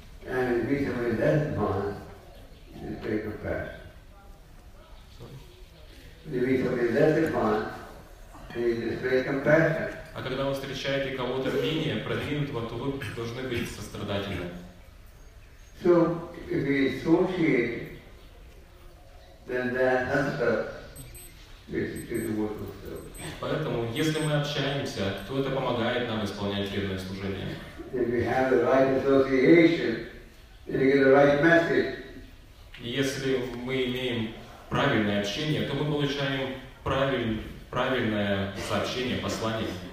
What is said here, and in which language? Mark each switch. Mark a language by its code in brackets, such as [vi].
[ru] А когда вы встречаете кого-то менее продвинутого, то вы должны быть сострадательны. [en] So, if we associate, then that has to be to the work of the Lord. [ru] Поэтому, если мы общаемся, то это помогает нам исполнять преданное служение. [en] If we have the right association, then we get the right message. [ru] Если мы имеем правильное общение, то мы получаем правильное сообщение, послание.